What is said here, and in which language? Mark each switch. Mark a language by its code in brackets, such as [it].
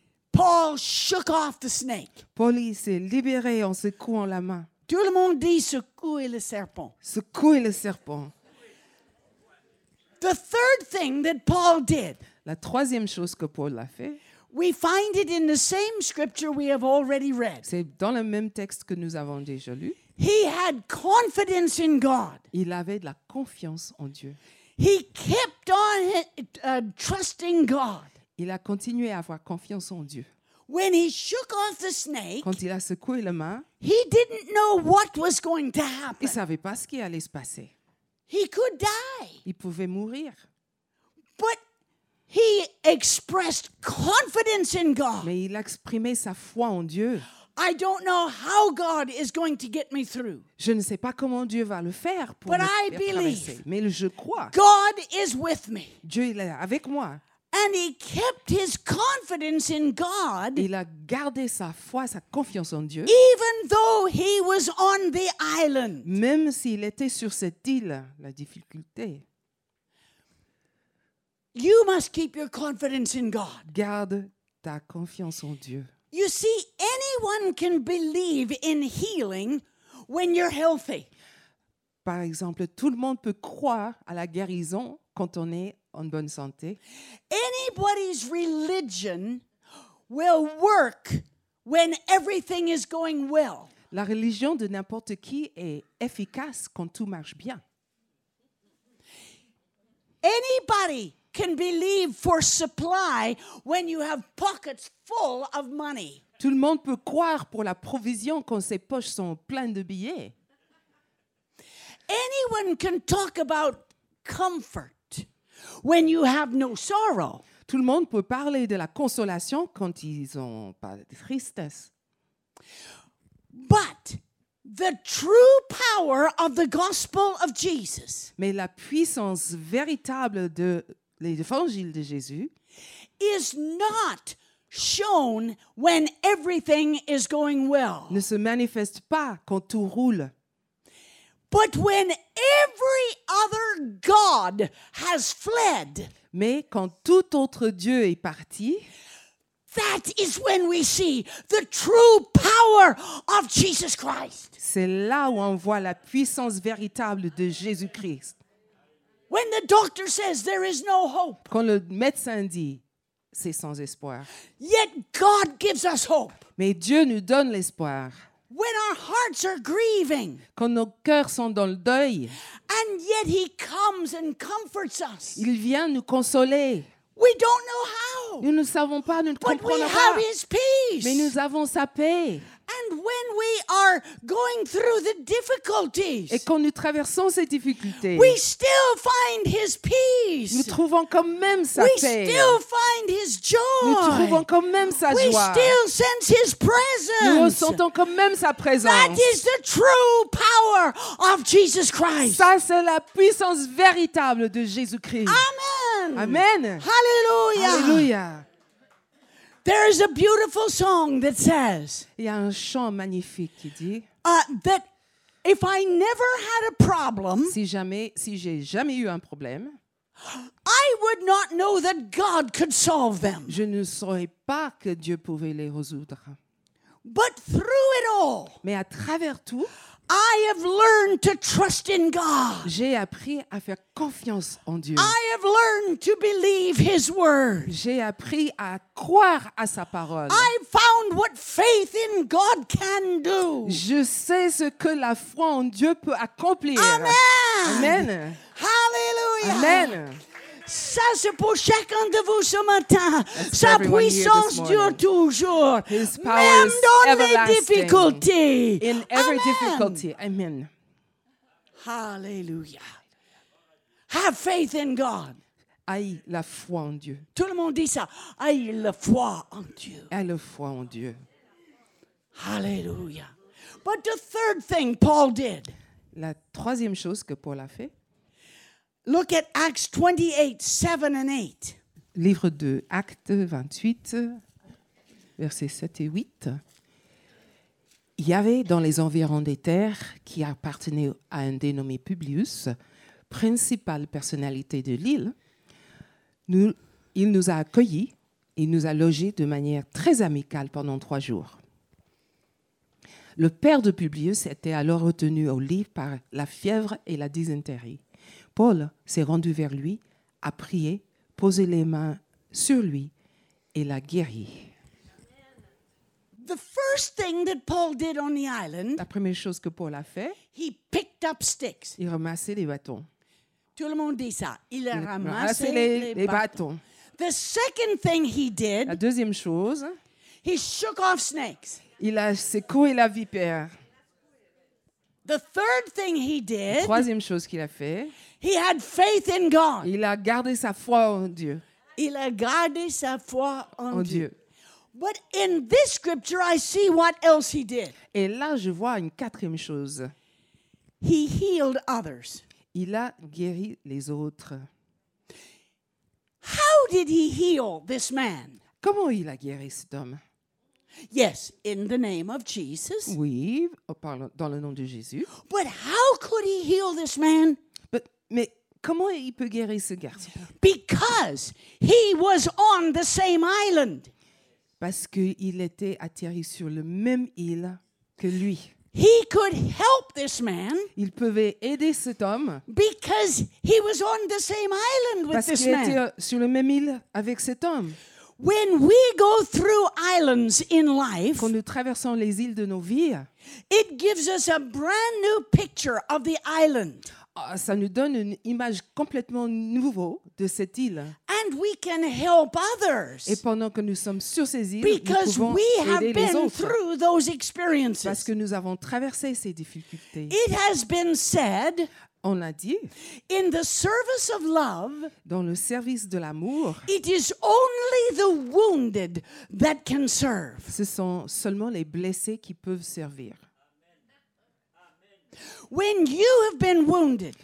[en] Paul shook off the snake. [fr] Paul s'est libéré en secouant la main. Tout le monde dit secouer le serpent. Secouer le serpent. [en] The third thing that Paul did. [fr] La troisième chose que Paul a fait. [en] We find it in the same scripture we have already read. [fr] C'est dans le même texte que nous avons déjà lu. [en] He had confidence in God. [fr] Il avait de la confiance en Dieu. [en] He kept on trusting God. [fr] Il a continué à avoir confiance en Dieu. [en] When he shook off the snake, [fr] quand il a secoué la main, [en] he didn't know what was going to happen. [fr] Il savait pas ce qui allait se passer. [en] He could die. [fr] Il pouvait mourir. [en] But he expressed confidence in God. [fr] Mais il exprimait sa foi en Dieu. [en] I don't know how God is going to get me through. [fr] Je ne sais pas comment Dieu va le faire pour me traverser, mais je crois. [en] God is with me. [fr] Dieu est avec moi. [en] And he kept his confidence in God. [fr] Il a gardé sa foi, sa confiance en Dieu. [en] Even though he was on the island. [fr] Même s'il était sur cette île, la difficulté. [en] You must keep your confidence in God. [fr] Garde ta confiance en Dieu. [en] You see, anyone can believe in healing when you're healthy. [fr] Par exemple, tout le monde peut croire à la guérison quand on est en bonne santé. [en] Anybody's religion will work when everything is going well. [fr] La religion de n'importe qui est efficace quand tout marche bien. [en] Anybody can believe for supply when you have pockets full of money. [fr] Tout le monde peut croire pour la provision quand ses poches sont pleines de billets. [en] Anyone can talk about comfort when you have no sorrow. [fr] Tout le monde peut parler de la consolation quand ils ont pas de tristesse. [en] But the true power of the gospel of Jesus. [fr] Mais la puissance véritable de l'évangile de Jésus [en] is not shown when everything is going well. [fr] Ne se manifeste pas quand tout roule. [en] But when every other god has fled, [fr] mais quand tout autre dieu est parti, [en] that is when we see the true power of Jesus Christ. [fr] C'est là où on voit la puissance véritable de Jésus-Christ. [en] When the doctor says there is no hope, [fr] quand le médecin dit c'est sans espoir, [en] yet God gives us hope. [fr] Mais Dieu nous donne l'espoir. [en] When our hearts are grieving, [fr] quand nos cœurs sont dans le deuil, [en] and yet he comes and comforts us. [fr] Il vient nous consoler. [en] We don't know how. [fr] Nous ne savons pas, nous ne comprenons pas. [en] But we have his peace. [fr] Mais nous avons sa paix. [en] And when we are going through the difficulties, [fr] et quand nous traversons ces difficultés, [en] we still find his peace. [fr] Nous trouvons quand même sa [en] we [fr] paix. [en] We still find his joy. [fr] Nous trouvons quand même sa [en] we [fr] joie. [en] We still sense his presence. [fr] Nous ressentons quand même sa présence. [en] That is the true power of Jesus Christ. [fr] Ça, c'est la puissance véritable de Jésus-Christ. [en] Amen. [fr] Amen. [en] Hallelujah. [fr] Hallelujah. [en] There is a beautiful song that says, [fr] il y a un chant magnifique qui dit, [en] that if I never had a problem, [fr] si j'ai jamais eu un problème, [en] I would not know that God could solve them. [fr] Je ne saurais pas que Dieu pouvait les résoudre. [en] But through it all, [fr] mais à travers tout, [en] I have learned to trust in God. [fr] J'ai appris à faire confiance en Dieu. [en] I have learned to believe his word. [fr] J'ai appris à croire à sa parole. [en] I found what faith in God can do. [fr] Je sais ce que la foi en Dieu peut accomplir. [en] Amen. [fr] Amen. [en] Hallelujah. [fr] Amen. Ça, c'est pour chacun de vous ce matin. Sa puissance dure toujours. [en] His power [fr] même [en] is [fr] dans [en] everlasting. [fr] Les difficultés. [en] In every Amen. Difficulty. Amen. Hallelujah. Have faith in God. [fr] Aïe la foi en Dieu. Tout le monde dit ça. Aïe la foi en Dieu. Aïe la foi en Dieu. Hallelujah. [en] But the third thing Paul did. [fr] La troisième chose que Paul a fait. [en] Look at Acts 28, 7 and 8. [fr] Livre de Actes 28, versets 7 et 8. Il y avait dans les environs des terres qui appartenaient à un dénommé Publius, principale personnalité de l'île. Il nous a accueillis et nous a logés de manière très amicale pendant 3 jours. Le père de Publius était alors retenu au lit par la fièvre et la dysenterie. Paul s'est rendu vers lui, a prié, posé les mains sur lui et l'a guéri. [en] The first thing that Paul did on the island, [fr] la première chose que Paul a fait, [en] he picked up sticks. [fr] Il ramassait les bâtons. Tout le monde dit ça. Il a ramassé les bâtons. [en] The second thing he did, [fr] la deuxième chose, [en] he shook off snakes. [fr] Il a secoué la vipère. [en] The third thing he did, [fr] la troisième chose qu'il a fait, [en] he had faith in God. [fr] Il a gardé sa foi en Dieu. Il a gardé sa foi en Dieu. [en] But in this scripture, I see what else he did. [fr] Et là, je vois une quatrième chose. [en] He healed others. [fr] Il a guéri les autres. [en] How did he heal this man? [fr] Comment il a guéri cet homme? [en] Yes, in the name of Jesus. [fr] Oui, dans le nom de Jésus. [en] But how could he heal this man? [fr] Mais comment il peut guérir ce garçon? [en] Because he was on the same island. [fr] Parce qu'il était atterri sur le même île que lui. [en] He could help this man. [fr] Il pouvait aider cet homme. [en] Because he was on the same island with this man. [fr] Parce qu'il était sur le même île avec cet homme. [en] When we go through islands in life, [fr] quand nous traversons les îles de nos vies, [en] it gives us a brand new picture of the island. [fr] Ça nous donne une image complètement nouveau de cette île. [en] And we can help others. [fr] Et pendant que nous sommes sur ces îles, [en] because [fr] nous pouvons [en] we have [fr] aider [en] been [fr] les autres. [en] Through those experiences. [fr] Parce que nous avons traversé ces difficultés. [en] It has been said, [fr] on a dit, [en] in the service of love, [fr] dans le service de l'amour, [en] it is only the wounded that can serve. [fr] Ce sont seulement les blessés qui peuvent servir. [en] When you have been wounded,